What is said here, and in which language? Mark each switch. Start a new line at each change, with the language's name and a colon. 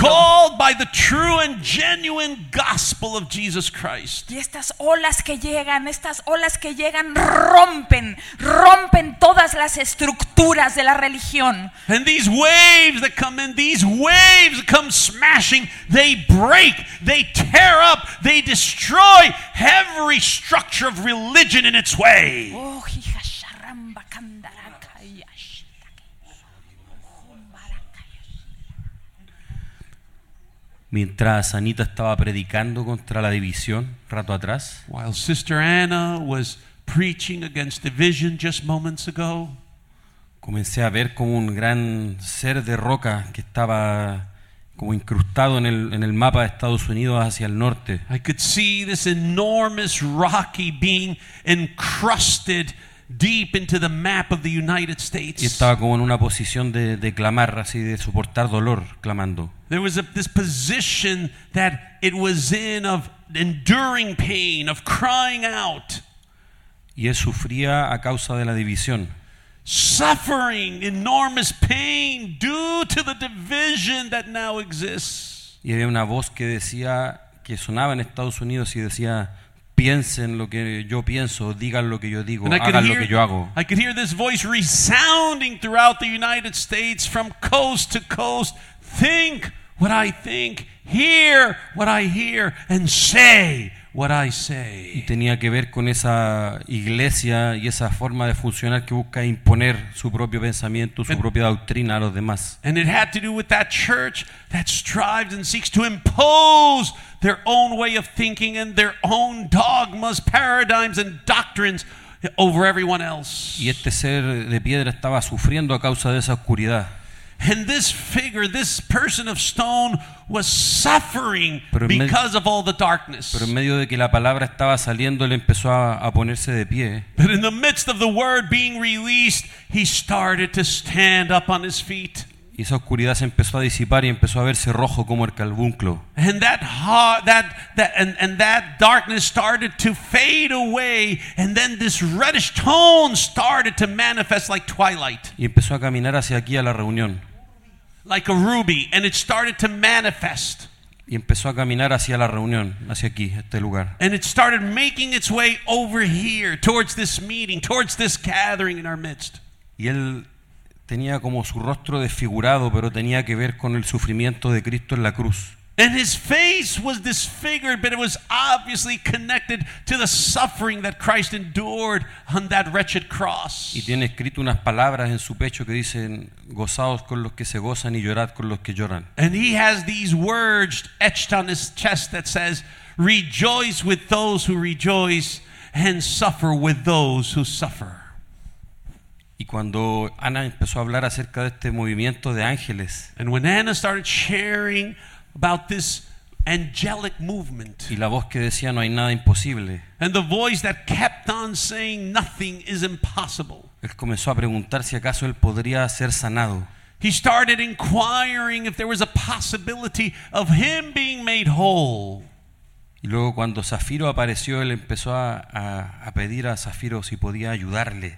English: Called by the true and genuine gospel of Jesus Christ.
Spanish: Y estas olas que llegan rompen todas las estructuras de la religión.
English: And these waves that come in, these waves come smashing, they break, they tear up, they destroy every structure of religion in its way. Oh, hija sharamba kandaraka yashita.
Spanish: mientras Anita estaba predicando contra la división rato atrás,
English: while Sister Anna was preaching against division just moments ago,
Spanish: comencé a ver como un gran ser de roca que estaba como incrustado en el mapa de Estados Unidos hacia el norte.
English: I could see this enormous rocky being encrusted deep into the map of the United States.
Spanish: Y estaba como en una posición de clamar, así de soportar dolor, clamando.
English: There was this position that it was in of enduring pain, of crying out.
Spanish: Y él sufría a causa de la división.
English: Suffering enormous pain due to the division that now exists.
Spanish: Y había una voz que decía, que sonaba en Estados Unidos y decía, piensen lo que yo pienso, digan lo que yo digo, hagan lo que yo hago.
English: I could hear this voice resounding throughout the United States from coast to coast. Think what I think, hear what I hear, and say what I say.
Spanish: Y tenía que ver con esa iglesia y esa forma de funcionar que busca imponer su propio pensamiento, su propia doctrina a los demás.
English: And it had to do with that church that strives and seeks to impose their own way of thinking and their own dogmas, paradigms, and doctrines over everyone else.
Spanish: Y este ser de piedra estaba sufriendo a causa de esa oscuridad.
English: And this figure, this person of stone, was suffering because of all the darkness.
Spanish: Pero en medio de que la palabra estaba saliendo, él empezó a ponerse de pie.
English: But in the midst of the word being released, he started to stand up on his feet.
Spanish: Y esa oscuridad se empezó a disipar y empezó a verse rojo como el carbunclo.
English: And that darkness started to fade away, and then this reddish tone started to manifest like twilight.
Spanish: Y empezó a caminar hacia aquí a la reunión.
English: Like a ruby, and it started to manifest.
Spanish: Y empezó a caminar hacia la reunión, hacia aquí, este lugar.
English: And it started making its way over here, towards this meeting, towards this gathering in our midst.
Spanish: Y él tenía como su rostro desfigurado, pero tenía que ver con el sufrimiento de Cristo en la cruz.
English: And his face was disfigured, but it was obviously connected to the suffering that Christ endured on that wretched cross.
Spanish: Y tiene escrito unas palabras en su pecho que dicen, gozaos con los que se gozan y llorad con los que lloran.
English: And he has these words etched on his chest that says, rejoice with those who rejoice and suffer with those who suffer.
Spanish: Y cuando Ana empezó a hablar acerca de este movimiento de ángeles,
English: and when Anna started sharing about this angelic movement,
Spanish: y la voz que decía no hay nada imposible,
English: and the voice that kept on saying nothing is impossible,
Spanish: él comenzó a preguntar si acaso él podría ser sanado.
English: He started inquiring if there was a possibility of him being made whole.
Spanish: Y luego cuando Zafiro apareció, él empezó a pedir a Zafiro si podía ayudarle.